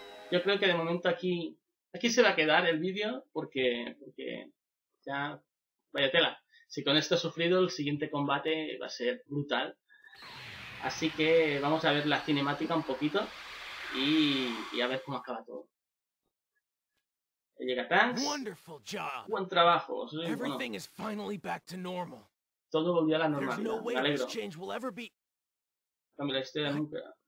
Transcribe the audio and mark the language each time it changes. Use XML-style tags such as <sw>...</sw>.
<es>Yo creo que de momento aquí se va a quedar el vídeo, porque ya, vaya tela. Si con esto he sufrido, el siguiente combate va a ser brutal. Así que vamos a ver la cinemática un poquito y a ver cómo acaba todo. Llega Tanks.</es> <en>Wonderful job.</en> <es>Buen trabajo. Soy, bueno,</es> <en>everything is finally back to normal.</en> <es>Todo volvió a la normalidad. Me alegro. Cambio la historia nunca.</es>